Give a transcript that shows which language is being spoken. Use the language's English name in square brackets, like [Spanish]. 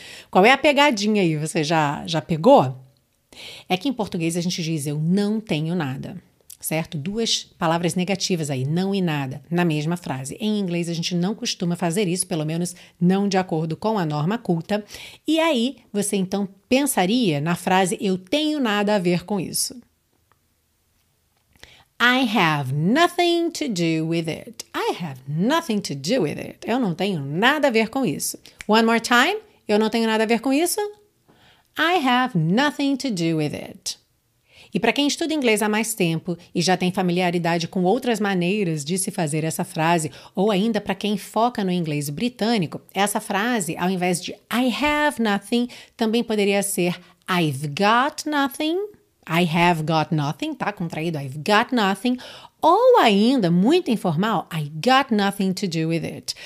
[Portuguese] Qual é a pegadinha aí? Você já pegou? É que em português a gente diz eu não tenho nada, certo? Duas palavras negativas aí, não e nada, na mesma frase. Em inglês, a gente não costuma fazer isso, pelo menos não de acordo com a norma culta. E aí, você então pensaria na frase eu tenho nada a ver com isso. [English] I have nothing to do with it. I have nothing to do with it. [Portuguese] Eu não tenho nada a ver com isso. [English] One more time. [Portuguese] Eu não tenho nada a ver com isso. [English] I have nothing to do with it. [Portuguese] E para quem estuda inglês há mais tempo e já tem familiaridade com outras maneiras de se fazer essa frase, ou ainda para quem foca no inglês britânico, essa frase, ao invés de [English] I have nothing, [Portuguese] também poderia ser [English] I've got nothing, I have got nothing, [Portuguese] tá contraído, [English] I've got nothing, [Portuguese] ou ainda, muito informal, [English] I got nothing to do with it.